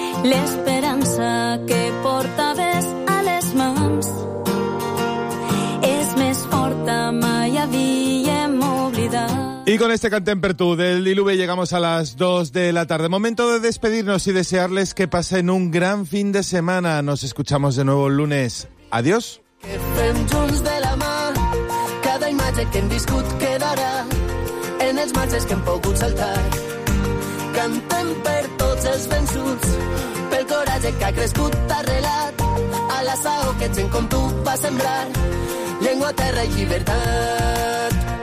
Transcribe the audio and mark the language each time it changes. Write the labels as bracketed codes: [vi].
[ca] L'esperança que portaves a les mans és més forta, mai havíem oblidat. [es] Y con este Cantempertú del Diluve llegamos a las 2 de la tarde. Momento de despedirnos y desearles que pasen un gran fin de semana. Nos escuchamos de nuevo el lunes. Adiós. [ca] Que fem junts de la mà. Cada imatge que hem viscut quedarà en els marges que hem pogut saltar. Cantem per tots els vençuts, pel coratge que ha crescut arrelat. A la saó que gent com tu va sembrar llengua, terra i llibertat.